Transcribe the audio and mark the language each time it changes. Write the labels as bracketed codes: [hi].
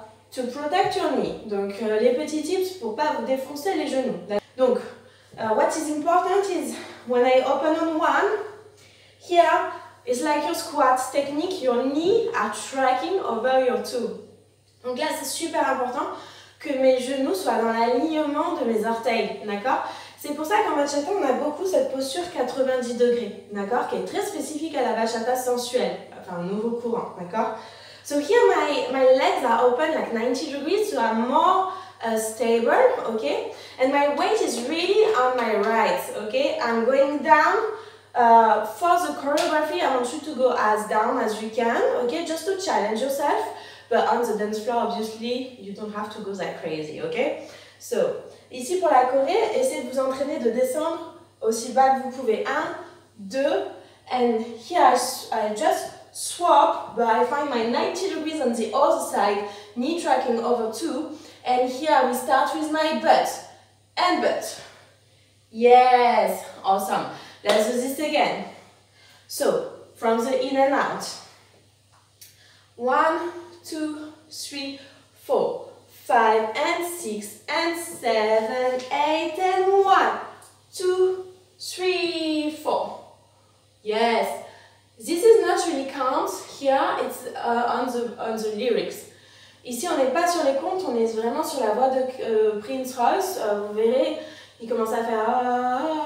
[en] To protect your knee, [fr] donc les petits tips pour pas vous défoncer les genoux. [en] Donc, what is important is when I open on one, here, it's like your squat technique, your knee are tracking over your toe. [fr] Donc là, c'est super important que mes genoux soient dans l'alignement de mes orteils, d'accord? C'est pour ça qu'en bachata, on a beaucoup cette posture 90 degrés, d'accord? Qui est très spécifique à la bachata sensuelle, enfin, nouveau courant, d'accord? [en] So here, my legs are open like 90 degrees, so I'm more stable, okay? And my weight is really on my right, okay? I'm going down. For the choreography, I want you to go as down as you can, okay? Just to challenge yourself. But on the dance floor, obviously, you don't have to go that crazy, okay? [fr] So, ici pour la choré, essayez de vous entraîner de descendre aussi bas que vous pouvez. Un, deux, [en] and here I just swap, but I find my 90 degrees on the other side, knee tracking over two, and here we start with my butt, and butt. Yes, awesome. Let's do this again. So, from the in and out. One, two, three, four, five, and six, and seven, eight, and one, two, three, four. Yes. This is not really count here, it's on the lyrics. [fr] Ici, on n'est pas sur les comptes, on est vraiment sur la voix de Prince Royce. Vous verrez, il commence à faire...